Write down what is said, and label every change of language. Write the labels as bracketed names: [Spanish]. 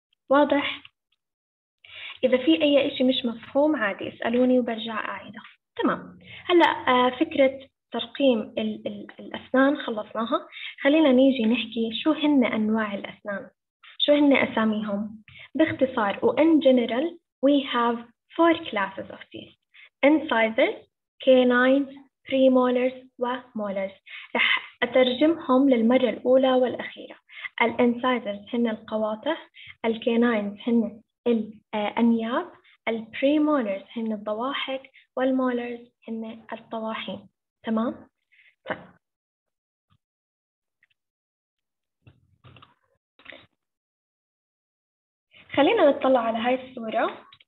[Arabic] واضح؟ إذا في أي إشي مش مفهوم عادي اسألوني وبرجع أعيده. تمام. هلأ فكرة ترقيم الأسنان خلصناها، خلينا نيجي نحكي شو هن أنواع الأسنان، شو هن أساميهم باختصار. [English] وإن general we have four classes of teeth: incisors, canines, premolars ومولars. [Arabic] رح أترجمهم للمرة الأولى والأخيرة. الإنسايزرز هن القواطع، الكينينز هن الأنياب، البريمولرز هن الضواحك، والمولرز هن الطواحين. تمام. طيب خلينا نطلع على هاي الصورة.